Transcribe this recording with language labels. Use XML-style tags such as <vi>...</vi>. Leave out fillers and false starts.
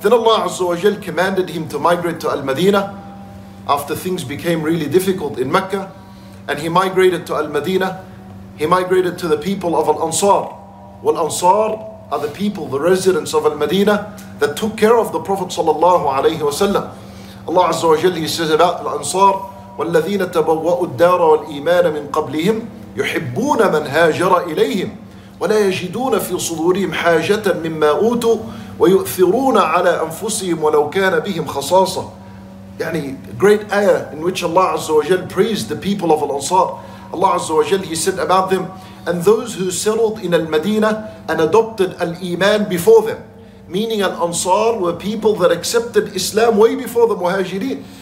<en>Then Allah azza wa jal commanded him to migrate to Al-Madinah after things became really difficult in Mecca. And he migrated to Al-Madinah. He migrated to the people of Al-Ansar. Wal-Ansar are the people, the residents of Al-Madinah that took care of the Prophet sallallahu alayhi wa sallam. Allah azza wa jal, he says about Al-Ansar,</en> <ar>وَالَّذِينَ تَبَوَّأُوا الدَّارَ وَالْإِيمَانَ مِنْ قَبْلِهِمْ يُحِبُّونَ مَنْ هَاجَرَ إِلَيْهِمْ وَلَا يَجِدُونَ فِي صُدُورِهِمْ حَاجَةً مِمَّا أُوتُوا وَيُؤْثِرُونَ عَلَىٰ أَنفُسِهِمْ وَلَوْ كَانَ بِهِمْ خَصَاصَةً.</ar> <en>Yani, great ayah in which Allah Azza wa Jal praised the people of Al-Ansar. Allah Azza wa Jal, he said about them, and those who settled in Al-Madinah and adopted Al-Iman before them, meaning Al-Ansar were people that accepted Islam way before the Muhajireen.</en>